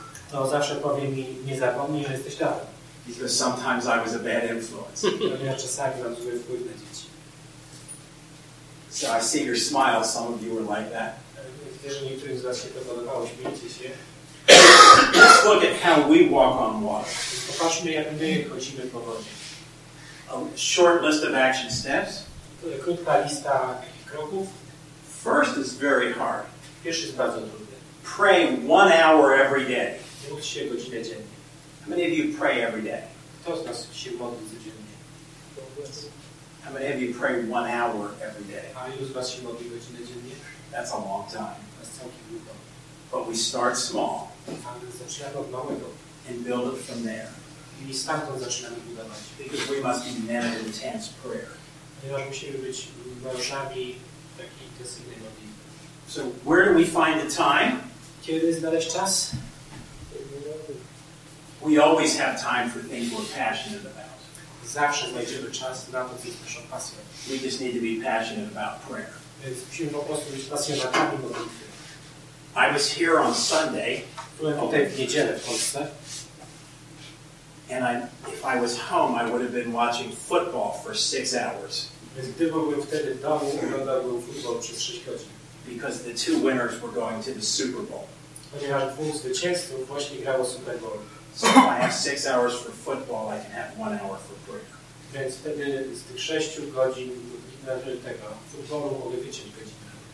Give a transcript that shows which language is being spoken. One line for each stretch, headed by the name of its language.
Polish: To zawsze powie mi, nie zapomnij, że jesteś tatą.
English: Because sometimes I was a bad influence.
Polish: Ponieważ czasami mam zły wpływ na dzieci.
English: So I see your smile, some of you were like that.
Polish: Wiesz, że niektórym z was się to podobało, śmiejcie się.
English: Let's look at how we walk on water.
Polish: Popatrzmy, jak my chodzimy po wodzie.
English: A short list of action steps.
Polish: Krótka lista kroków.
English: First is very hard.
Polish: Pierwszy jest bardzo trudny.
English: Pray 1 hour every day.
Polish: Módl się godzinę dziennie.
English: How many of you pray every day?
Polish: Kto z nas się modli codziennie?
English: How many of you pray 1 hour every day?
Polish: A ilu z was się modli godzinę dziennie?
English: That's a long time. That's
Polish: całkiem długo.
English: But we start small.
Polish: Ale zaczynamy od małego.
English: And build it from there.
Polish: I stamtąd zaczynamy budować.
English: Because we must be men of intense prayer.
Polish: Ponieważ musimy być mężami takiej intensywnej modlitwy.
English: So where do we find the time?
Polish: Kiedy znaleźć czas?
English: We always have time for things we're passionate about.
Polish: Zawsze znajdziemy czas na to, co jest naszą pasją.
English: We just need to be passionate about prayer.
Polish: Więc musimy po prostu być pasjonatami modlitwy.
English: I was here on Sunday.
Polish: Byłem tutaj w niedzielę w Polsce.
English: And I, if I was home, I would have been watching football for 6 hours.
Polish: Więc gdybym wtedy w domu, oglądałbym futbol przez 6 godzin.
English: Because the two winners were going to the Super Bowl.
Polish: Ponieważ dwóch zwycięzców właśnie grało Super Bowl.
English: So if I have 6 hours for football, I can have 1 hour for prayer.
Polish: Więc wtedy z tych 6 godzin tego futbolu mogę wyciąć godzinę.